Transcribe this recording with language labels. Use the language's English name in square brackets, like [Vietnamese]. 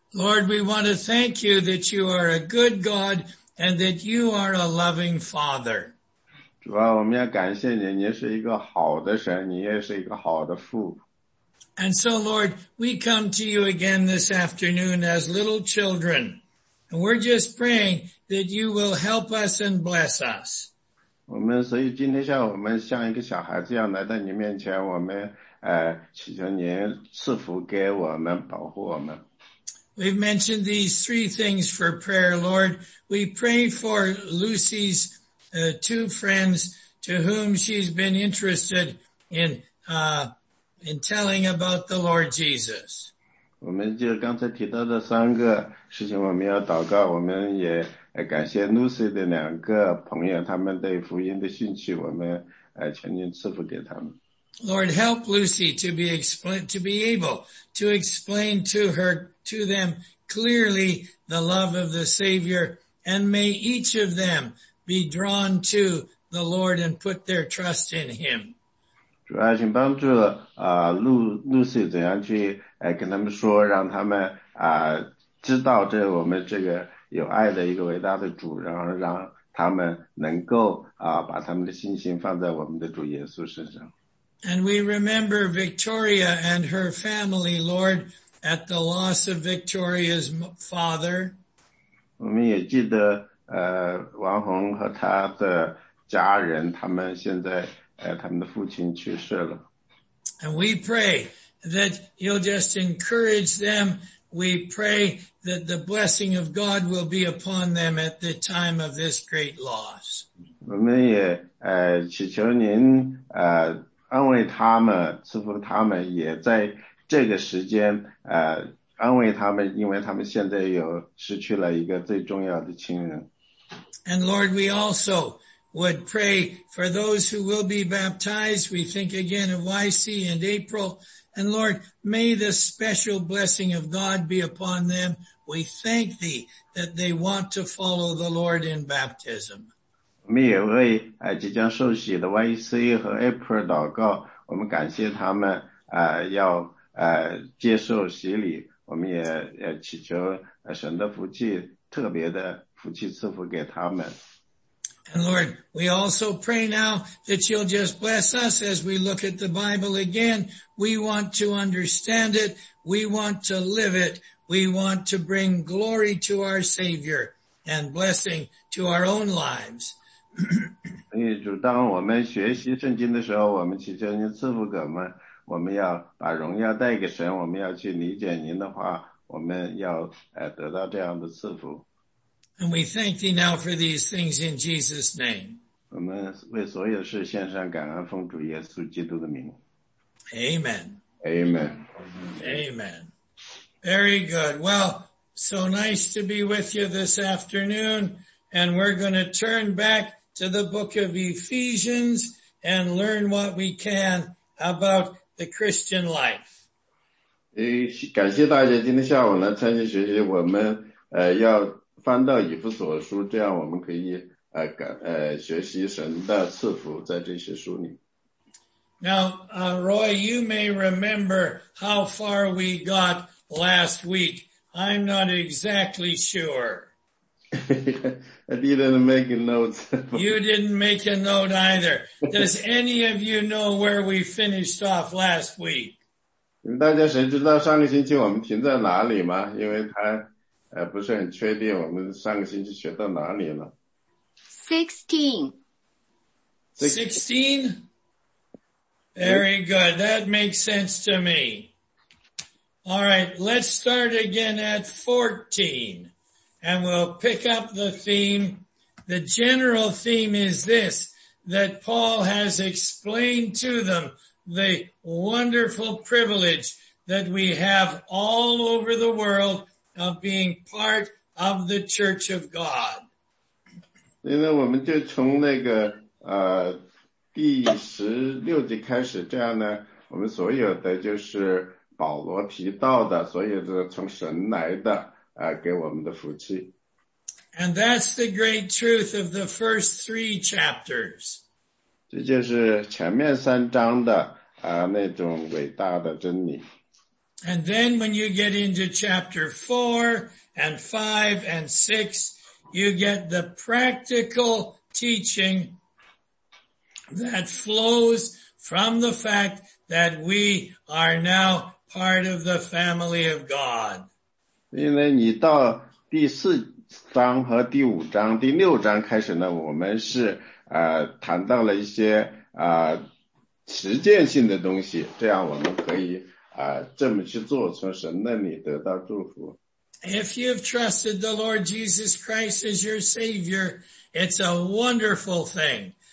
[English] Lord, we want to thank you that you are a good God and that you are a loving Father. [Chinese] 主啊，我们要感谢你，你是一个好的神，你也是一个好的父。 [English] And so, Lord, we come to you again this afternoon as little children. And we're just praying that you will help us and bless us. [Chinese] 我们所以今天像我们像一个小孩子一样来到你面前，我们祈求您赐福给我们，保护我们。 [English] We've mentioned these three things for prayer, Lord. We pray for Lucy's two friends to whom she's been interested in telling about the Lord Jesus. [Chinese] 我们就刚才提到的三个事情我们要祷告，我们也感谢 Lucy 的两个朋友，他们对福音的兴趣，我们全心赐福给他们。 [English] Lord, help Lucy to be able to explain to them clearly the love of the Savior, and may each of them be drawn to the Lord and put their trust in Him. [Chinese] 主啊，请帮助Lucy 怎样去跟他们说，让他们知道这我们这个有爱的一个伟大的主，然后让他们能够把他们的信心放在我们的主耶稣身上。 [English] And we remember Victoria and her family, Lord, at the loss of Victoria's father. [Chinese] 我们也记得王红和他的家人，他们现在他们的父亲去世了。 [English] And we pray that you'll just encourage them. We pray that the blessing of God will be upon them at the time of this great loss. [Chinese] 我们也祈求您安慰他们，赐福他们，也在这个时间安慰他们，因为他们现在有失去了一个最重要的亲人。 [English] And Lord, we also would pray for those who will be baptized. We think again of YC and April. And Lord, may the special blessing of God be upon them. We thank thee that they want to follow the Lord in baptism. [Chinese] 我们也为即将受洗的 YC 和 April 祷告，我们感谢他们要接受洗礼，我们也祈求神的福气，特别的福气赐福给他们。 [English] And Lord, we also pray now that you'll just bless us as we look at the Bible again. We want to understand it. We want to live it. We want to bring glory to our Savior and blessing to our own lives. [Chinese] 所以主，当我们学习圣经的时候，我们祈求您赐福给我们，我们要把荣耀带给神，我们要去理解您的话，我们要得到这样的赐福。 [English] And we thank thee now for these things in Jesus' name. [Chinese] 我们为所有事献上感恩，奉主耶稣基督的名。 [English] Amen. Amen. Amen. Very good. Well, so nice to be with you this afternoon. And we're going to turn back to the book of Ephesians and learn what we can about the Christian life. [Chinese] 感谢大家今天下午来参加学习，我们要翻到以弗所书，这样我们可以学习神的赐福在这些书里。 [English] Now, Roy, you may remember how far we got last week. I'm not exactly sure. I didn't make a note. You didn't make a note either. Does any of you know where we finished off last week? [Chinese] 大家谁知道上个星期我们停在哪里吗？因为他不是很确定我们上个星期学到哪里了。 [English] 16. Very good. That makes sense to me. All right. Let's start again at 14. And we'll pick up the theme. The general theme is this, that Paul has explained to them the wonderful privilege that we have all over the world of being part of the Church of God. [Chinese] 现在我们就从那个第十六节开始，这样呢，我们所有的就是保罗提到的，所有的从神来的给我们的福气。 [English] And that's the great truth of the first three chapters. [Chinese] 这就是前面三章的那种伟大的真理。 [English] And then when you get into chapter 4 and 5 and 6, you get the practical teaching that flows from the fact that we are now part of the family of God. [Chinese] 因为你到第四章和第五章、第六章开始呢, 我们是, 谈到了一些, 实践性的东西, 这样我们可以, 这么去做, 从神那里得到祝福。 [English] If you've trusted the Lord Jesus Christ as your Savior, it's a wonderful thing.